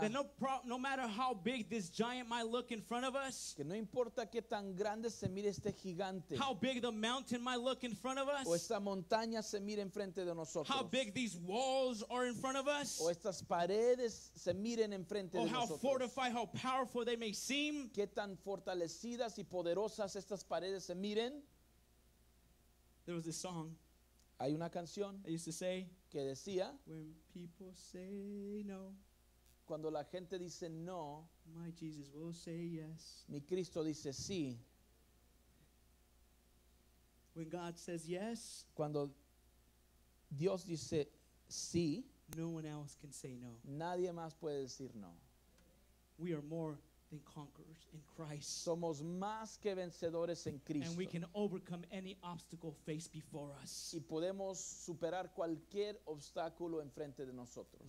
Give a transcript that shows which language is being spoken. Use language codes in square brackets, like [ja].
[en] That no matter how big this giant might look in front of us. [es] Que no importa qué tan grande se mire este gigante. [en] How big the mountain might look in front of us. [es] O esta montaña se mire enfrente de nosotros. [en] How big these walls are in front of us. [es] O estas paredes se miren enfrente de nosotros. [en] Or how fortified, how powerful they may seem. [es] Qué tan fortalecidas y poderosas estas paredes se miren. [en] There was this song. [es] Hay una canción. [en] I used to say. [es] Que decía, [en] when people say no, [es] cuando la gente dice no, [en] my Jesus will say yes. [es] Mi Cristo dice sí. [en] When God says yes, [es] cuando Dios dice sí, [en] no one else can say no. [es] Nadie más puede decir no. [en] We are more than conquerors in Christ. [es] Somos más que vencedores en Cristo. [en] And we can overcome any obstacle faced before us. [es] Y podemos superar cualquier obstáculo enfrente de nosotros.